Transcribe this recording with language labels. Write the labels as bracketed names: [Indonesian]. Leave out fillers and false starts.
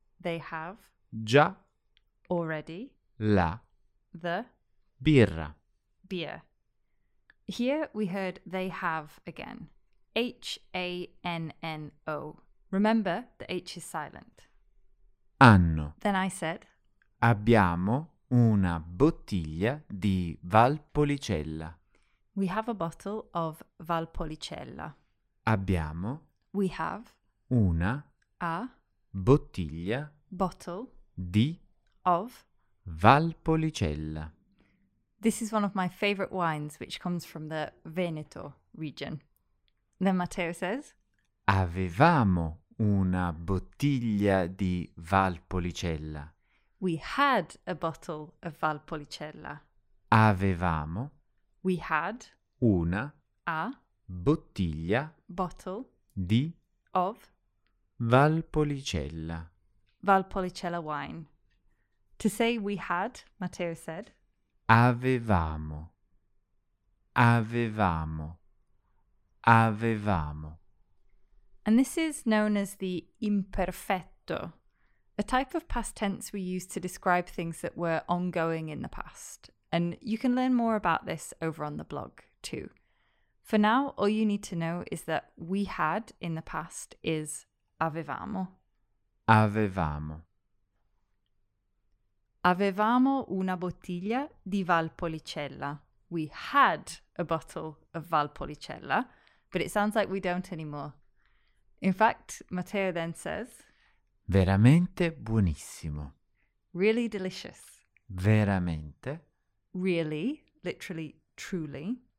[English] They have. [Italian] Già. [English] Already. [Italian] La. [English] The. [Italian] Birra. [English] Beer. Here we heard they have again. H-A-N-N-O. Remember, the H is silent. [Italian] Hanno. [English] Then I said, [Italian] abbiamo una bottiglia di Valpolicella. [English] We have a bottle of Valpolicella. [Italian] Abbiamo. [English] We have. [Italian] Una. [English] A. [Italian] Bottiglia. [English] Bottle. [Italian] Di. [English] Of. [Italian] Valpolicella. [English] This is one of my favorite wines, which comes from the Veneto region. Then Matteo says, [Italian] avevamo una bottiglia di Valpolicella. [English] We had a bottle of Valpolicella. [Italian] Avevamo. [English] We had. [Italian] Una. [English] A. [Italian] Bottiglia. [English] Bottle. [Italian] Di. [English] Of. [Italian] Valpolicella. [English] Valpolicella wine. To say we had, Matteo said, [Italian] avevamo. Avevamo. Avevamo. [English] And this is known as the imperfetto, a type of past tense we use to describe things that were ongoing in the past. And you can learn more about this over on the blog too. For now, all you need to know is that we had in the past is avevamo. [Italian] Avevamo. Avevamo una bottiglia di Valpolicella. [English] We had a bottle of Valpolicella, but it sounds like we don't anymore. In fact, Matteo then says, [Italian] Veramente buonissimo. [English] Really delicious. [Italian] Veramente. [English] Really, literally, truly.